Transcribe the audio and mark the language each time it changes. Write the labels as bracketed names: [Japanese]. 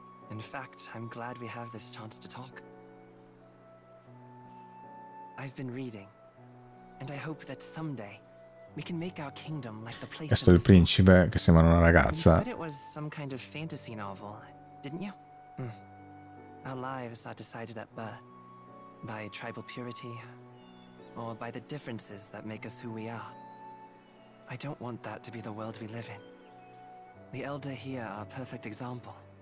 [English] In fact, I'm glad we have this chance to talk. I've been reading, and I hope that someday we can make our kingdom like the place. [Italian] Questo è il principe che sembra una ragazza. [English] You said it was some kind of fantasy novel, didn't you? Mm. Our lives are decided at birth by tribal purity or by the differences that make us who we are. I don't want that to be the world we live in. The elder here are a perfect example.